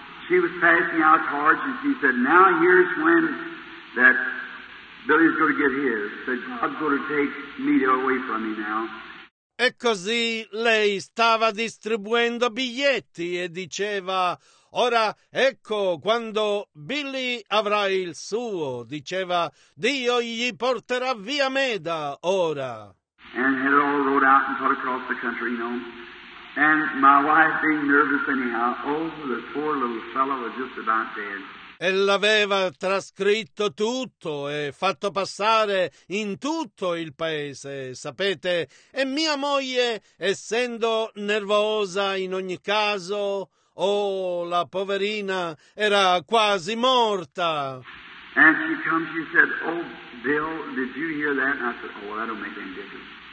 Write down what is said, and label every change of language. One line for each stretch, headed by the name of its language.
English: She was passing out cards and she said, now here's when that Billy's going to get his. She said, God's going to take Mita away from me now.
Italian: E così lei stava distribuendo biglietti e diceva, ora ecco quando Billy avrà il suo. Diceva, Dio gli porterà via Meda ora.
English: And had it all rolled out and put across the country, you know. And my wife being nervous anyhow, oh, the poor little fellow was just about dead.
Italian: E l'aveva trascritto tutto e fatto passare in tutto il paese, sapete? E mia moglie, essendo nervosa in ogni caso, oh, la poverina era quasi morta.
English: And she comes, she said, oh, Bill, did you hear that? And I said, oh, well, I don't make any difference.